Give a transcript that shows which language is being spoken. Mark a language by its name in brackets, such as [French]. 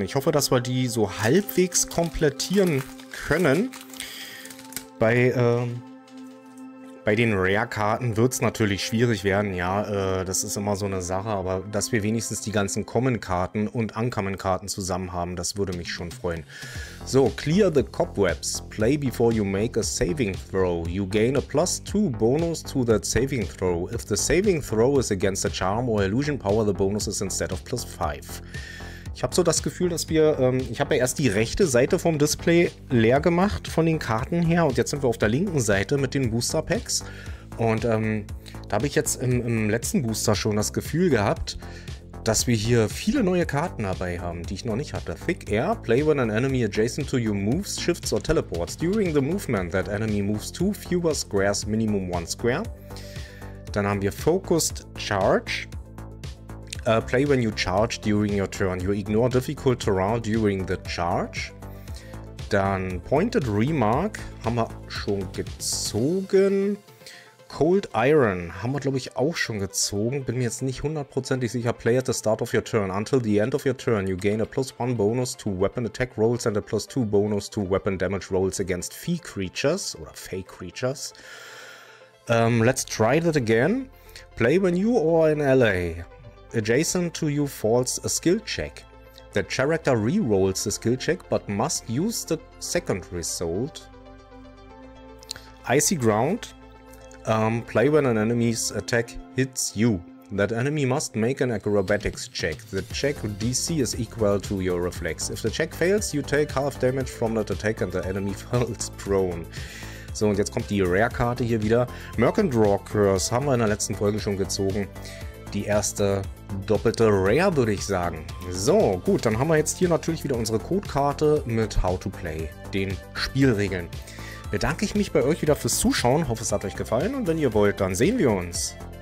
[German] Ich hoffe, dass wir die so halbwegs komplettieren können. Bei den Rare-Karten wird es natürlich schwierig werden. Ja, das ist immer so eine Sache. Aber dass wir wenigstens die ganzen Common-Karten und Uncommon-Karten zusammen haben, das würde mich schon freuen. [English] So, clear the cobwebs. Play before you make a saving throw. You gain a +2 bonus to that saving throw. If the saving throw is against a charm or illusion power, the bonus is instead of +5. [German] Ich habe so das Gefühl, dass wir, ich habe ja erst die rechte Seite vom Display leer gemacht von den Karten her und jetzt sind wir auf der linken Seite mit den Booster Packs und da habe ich jetzt im letzten Booster schon das Gefühl gehabt, dass wir hier viele neue Karten dabei haben, die ich noch nicht hatte. [English] Thick Air, play when an enemy adjacent to you moves, shifts or teleports. During the movement that enemy moves 2 fewer squares, minimum 1 square. [German] Dann haben wir [English] Focused Charge. Play when you charge during your turn. You ignore difficult terrain during the charge. [German] Dann Pointed Remark haben wir schon gezogen. Cold Iron haben wir, glaube ich, auch schon gezogen. Bin mir jetzt nicht hundertprozentig sicher. [English] Play at the start of your turn. Until the end of your turn, you gain a +1 bonus to weapon attack rolls and a +2 bonus to weapon damage rolls against fee creatures [German] oder [English] fey creatures. Let's try that again. Play when you are in LA. Adjacent to you falls a skill check. The character re-rolls the skill check, but must use the second result. Icy Ground. Play when an enemy's attack hits you. That enemy must make an acrobatics check. The check DC is equal to your reflex. If the check fails, you take half damage from that attack and the enemy falls prone. [German] So, und jetzt kommt die Rare-Karte hier wieder. Mercandraw Curse haben wir in der letzten Folge schon gezogen. Die erste doppelte Rare, würde ich sagen. So, gut, dann haben wir jetzt hier natürlich wieder unsere Codekarte mit How to Play, den Spielregeln. Bedanke ich mich bei euch wieder fürs Zuschauen, hoffe, es hat euch gefallen und wenn ihr wollt, dann sehen wir uns.